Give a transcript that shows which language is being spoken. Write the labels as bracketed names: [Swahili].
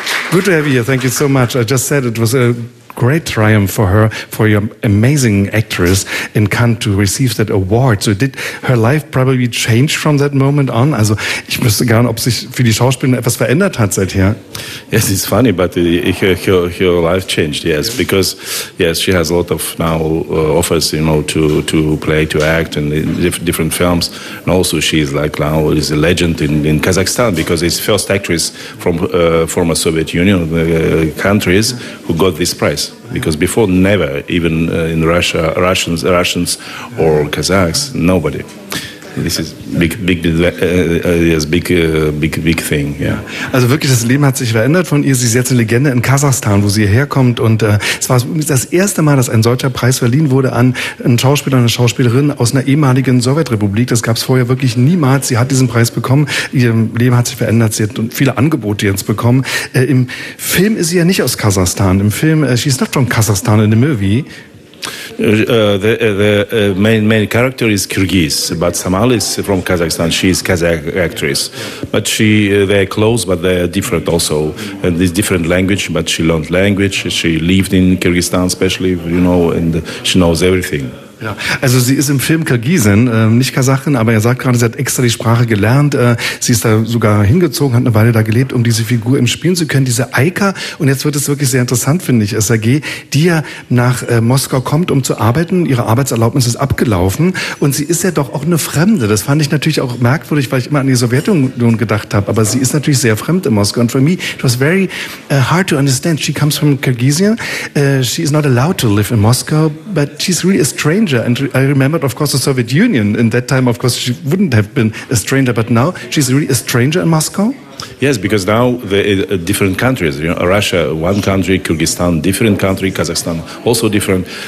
[English] Good to have you here, thank you so much. I just said it was a great triumph for her, for your amazing actress in Cannes to receive that award. So did her life probably change from that moment on? [German] Also ich wüsste gar nicht, ob sich für die Schauspielerin etwas verändert hat seither. [English] Yes, it's funny, but her life changed, yes, because yes, she has a lot of now offers, you know, to play, to act in different films, and also she's like now is a legend in Kazakhstan because it's first actress from former Soviet Union countries who got this prize. Because before, never, even in Russia, Russians or Kazakhs, nobody. This is big thing, yeah. [German] Also wirklich, das Leben hat sich verändert von ihr. Sie ist jetzt eine Legende in Kasachstan, wo sie herkommt. Und es war das erste Mal, dass ein solcher Preis verliehen wurde an einen Schauspieler, eine Schauspielerin aus einer ehemaligen Sowjetrepublik. Das gab es vorher wirklich niemals. Sie hat diesen Preis bekommen. Ihr Leben hat sich verändert. Sie hat viele Angebote jetzt bekommen. Im Film ist sie ja nicht aus Kasachstan. Im Film, [English] she is not from Kazakhstan in the movie. The main character is Kyrgyz, but Samal is from Kazakhstan. She is Kazakh actress, but she they are close, but they are different also. And it's different language, but she learned language. She lived in Kyrgyzstan, especially, you know, and she knows everything. [German] Ja, also sie ist im Film Kirgisin, nicht Kasachin, aber er sagt gerade, sie hat extra die Sprache gelernt. Sie ist da sogar hingezogen, hat eine Weile da gelebt, um diese Figur im Spielen zu können, diese Aika. Und jetzt wird es wirklich sehr interessant, finde ich, SAG, die ja nach Moskau kommt, um zu arbeiten. Ihre Arbeitserlaubnis ist abgelaufen und sie ist ja doch auch eine Fremde. Das fand ich natürlich auch merkwürdig, weil ich immer an die Sowjetunion gedacht habe. Aber sie ist natürlich sehr fremd in Moskau. [English] And for me, it was very hard to understand. She comes from Kirgisia. She is not allowed to live in Moscow, but she's really a stranger. And I remembered, of course, the Soviet Union. In that time, of course, she wouldn't have been a stranger. But now she's really a stranger in Moscow? Yes, because now the different countries, you know, Russia, one country, Kyrgyzstan, different country, Kazakhstan, also different.